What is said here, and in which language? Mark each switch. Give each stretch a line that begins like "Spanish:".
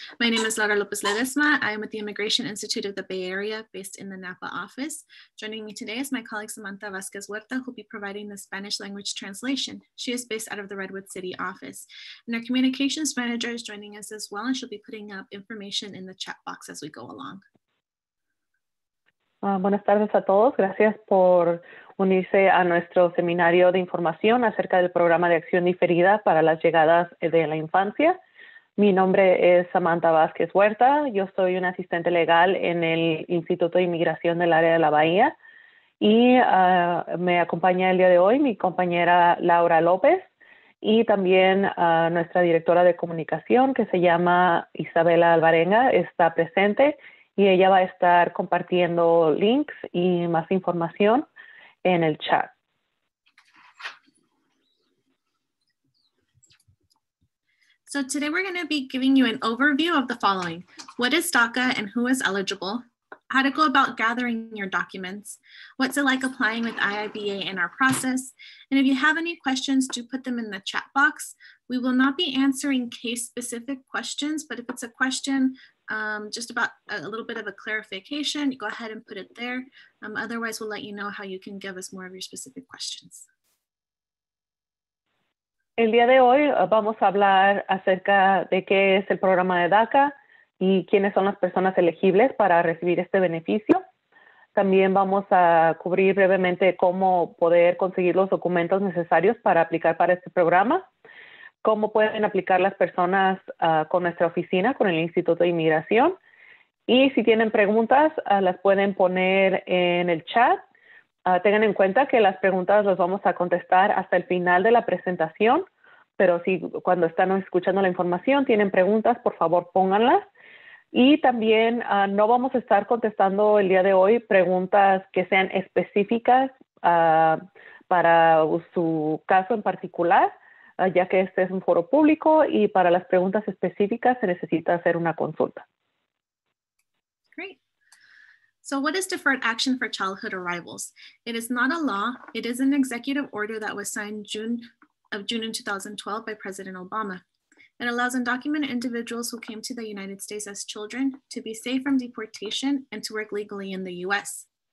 English: My name is Laura Lopez Ledesma. I am with the Immigration Institute of the Bay Area based in the Napa office. Joining me today is my colleague Samantha Vasquez Huerta, who will be providing the Spanish language translation. She is based out of the Redwood City office. And our communications manager is joining us as well, and she'll be putting up information in the chat box as we go along.
Spanish: Buenas tardes a todos. Gracias por unirse a nuestro seminario de información acerca del programa de acción diferida para las llegadas de la infancia. Mi nombre es Samantha Vázquez Huerta. Yo soy una asistente legal en el Instituto de Inmigración del Área de la Bahía. Y me acompaña el día de hoy mi compañera Laura López y también nuestra directora de comunicación, que se llama Isabela Alvarenga, está presente. Y ella va a estar compartiendo links y más información en el chat.
English: So today we're going to be giving you an overview of the following. What is DACA and who is eligible? How to go about gathering your documents? What's it like applying with IIBA in our process? And if you have any questions, do put them in the chat box. We will not be answering case-specific questions, but if it's a question, just about a little bit of a clarification, go ahead and put it there. Otherwise, we'll let you know how you can give us more of your specific questions.
Spanish: El día de hoy vamos a hablar acerca de qué es el programa de DACA y quiénes son las personas elegibles para recibir este beneficio. También vamos a cubrir brevemente cómo poder conseguir los documentos necesarios para aplicar para este programa, cómo pueden aplicar las personas con nuestra oficina, con el Instituto de Inmigración. Y si tienen preguntas, las pueden poner en el chat. Tengan en cuenta que las preguntas las vamos a contestar hasta el final de la presentación, pero si cuando están escuchando la información tienen preguntas, por favor, pónganlas. Y también no vamos a estar contestando el día de hoy preguntas que sean específicas para su caso en particular, ya que este es un foro público y para las preguntas específicas se necesita hacer una consulta.
English: Great. So what is Deferred Action for Childhood Arrivals? It is not a law. It is an executive order that was signed June in 2012 by President Obama. It allows undocumented individuals who came to the United States as children to be safe from deportation and to work legally in the U.S.